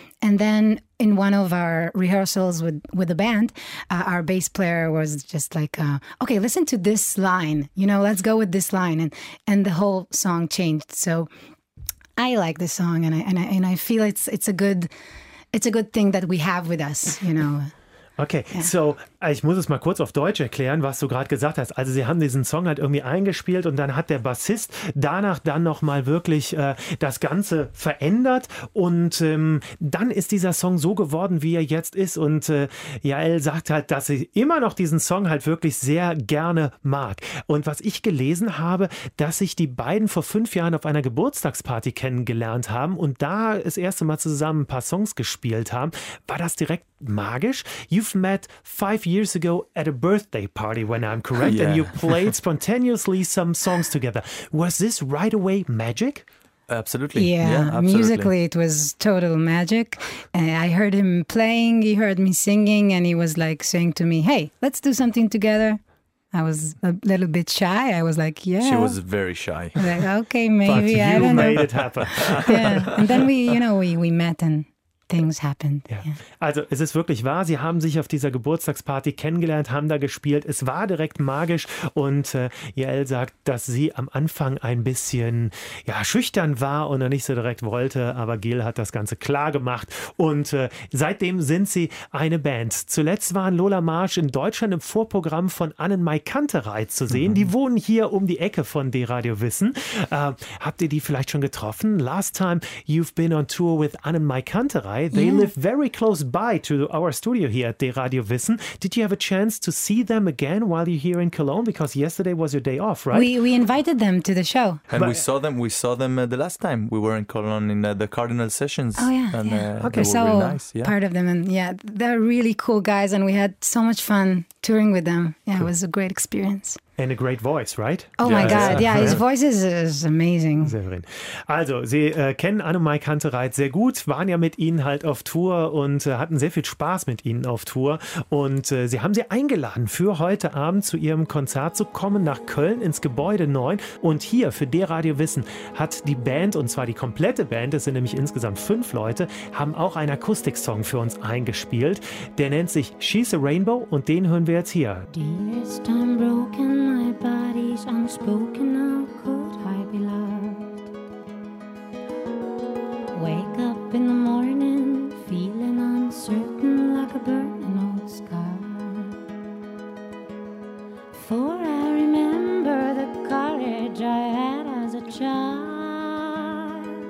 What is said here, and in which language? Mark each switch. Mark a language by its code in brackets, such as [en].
[en] And then in one of our rehearsals with the band, our bass player was just like, okay, listen to this line. You know, let's go with this line. And the whole song changed. So I like the song and I feel it's a good thing that we have with us, you know. [de] Okay, so ich muss es mal kurz auf Deutsch erklären, was du gerade gesagt hast. Also sie haben diesen Song halt irgendwie eingespielt und dann hat der Bassist danach dann nochmal wirklich das Ganze verändert. Und dann ist dieser Song so geworden, wie er jetzt ist. Und Yael sagt halt, dass sie immer noch diesen Song halt wirklich sehr gerne mag. Und was ich gelesen habe, dass sich die beiden vor 5 Jahren auf einer Geburtstagsparty kennengelernt haben und da das erste Mal zusammen ein paar Songs gespielt haben, war das direkt magisch. [en] You've met 5 years ago at a birthday party, when I'm correct, yeah. And you played spontaneously some songs together. Was this right away magic? Absolutely. Yeah, yeah, absolutely. Musically, it was total magic. I heard him playing, he heard me singing, and he was like saying to me, hey, let's do something together. I was a little bit shy. I was like, yeah. She was very shy. Like, okay, maybe, I don't know. But you made it happen. Yeah, and then we met and things happened. [de] Ja. Also es ist wirklich wahr, sie haben sich auf dieser Geburtstagsparty kennengelernt, haben da gespielt, es war direkt magisch und Yael sagt, dass sie am Anfang ein bisschen ja, schüchtern war und noch nicht so direkt wollte, aber Gil hat das Ganze klar gemacht und seitdem sind sie eine Band. Zuletzt waren Lola Marsch in Deutschland im Vorprogramm von Annenmay Kantereit zu sehen, die wohnen hier um die Ecke von D-Radio Wissen. Habt ihr die vielleicht schon getroffen? [en] Last time you've been on tour with Annenmay Kantereit. They live very close by to our studio here at the Radio Wissen. Did you have a chance to see them again while you're here in Cologne? Because yesterday was your day off, right? We invited them to the show. And but we saw them the last time we were in Cologne in the Cardinal Sessions. Oh, yeah. And, yeah. Okay, so really nice, yeah. Part of them. And yeah, they're really cool guys. And we had so much fun touring with them. Yeah, cool. It was a great experience. And a great voice, right? Oh my God, yeah, his voice is amazing. Severin. [de] Also, Sie kennen Annenmay Kantereit sehr gut, waren ja mit Ihnen halt auf Tour und hatten sehr viel Spaß mit Ihnen auf Tour. Und Sie haben Sie eingeladen, für heute Abend zu Ihrem Konzert zu kommen, nach Köln ins Gebäude 9. Und hier für D-Radio Wissen hat die Band, und zwar die komplette Band, es sind nämlich insgesamt 5 Leute, haben auch einen Akustiksong für uns eingespielt. Der nennt sich She's a Rainbow und den hören wir jetzt hier. [en] Dearest, I'm broken. My body's unspoken, how could I be loved? Wake up in the morning, feeling uncertain like a burning old scar. For I remember the courage I had as a child.